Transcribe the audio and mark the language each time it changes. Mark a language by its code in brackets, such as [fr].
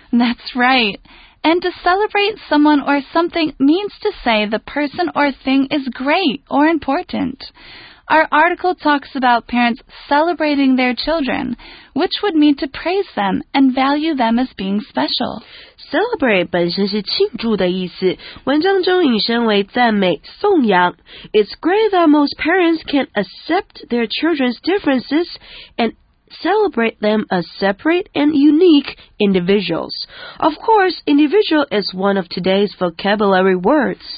[en] That's right. And to celebrate someone or something means to say the person or thing is great or important. Our article talks about parents celebrating their children, which would mean to praise them and value them as being special. [zh] Celebrate 本身是庆祝的意思，文章中引申为赞美、颂扬。 [en] It's great that most parents can accept their children's differences and celebrate them as separate and unique individuals. Of course, individual is one of today's vocabulary words.